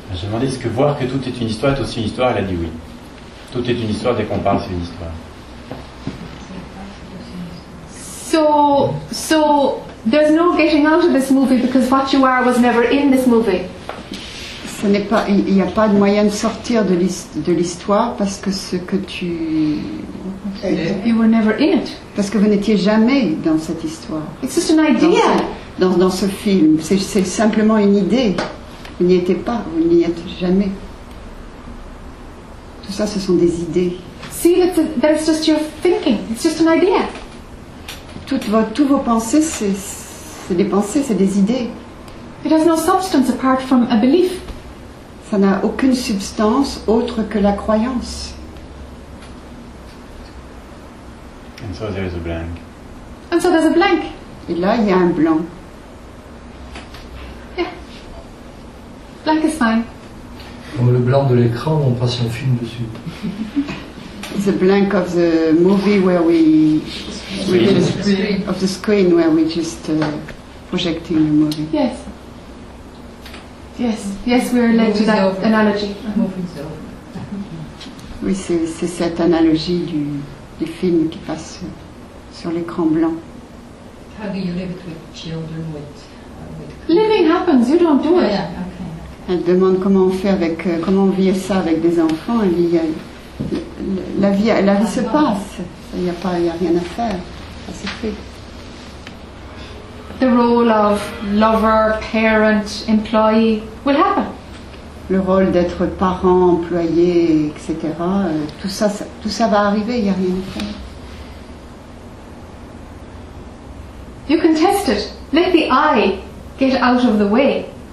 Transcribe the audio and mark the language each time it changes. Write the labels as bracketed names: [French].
[French] J'ai demandé est-ce que voir que tout est une histoire est aussi une histoire. Elle a dit oui. Tout est une histoire dès qu'on parle, c'est une histoire. [English] So there's no getting out of this movie because what you are was never in this movie. [French] Ce n'est pas, il n'y a pas de moyen de sortir de l'histoire parce que ce que tu [English] you were never in it. [French] Parce que vous n'étiez jamais dans cette histoire. [English] It's just an idea. [French] Dans ce film, c'est simplement une idée. Vous n'y étiez pas, vous n'y êtes jamais. Tout ça, ce sont des idées. [English] See, that's just your thinking. It's just an idea. [French] Tous vos pensées, c'est des pensées, c'est des idées. [English] It has no substance apart from a belief. [French] Ça n'a aucune substance autre que la croyance. [English] And so there is a blank. And so there's a blank. [French] Et là, il y a un blanc. [English] Yeah. Blank is fine. [French] Comme le blanc de l'écran où on passe un film dessus. [English] The blank of the movie where of the screen where we just projecting the movie. Yes. Yes. Yes. We're led to that analogy. [French] Oui, c'est cette analogie du film qui passe sur l'écran blanc. [English] How do you live it with children, with Living happens, you don't do it. Yeah. [French] Elle demande comment on fait avec, comment on vit ça avec des enfants. Elle dit, la vie se passe. Il n'y a pas, il n'y a rien à faire. Ça se fait. [English] The role of lover, parent, employee will happen. [French] Le rôle d'être parent, employé, etc. Tout ça va arriver. Il n'y a rien à faire. [English] You can test it. Let the I get out of the way.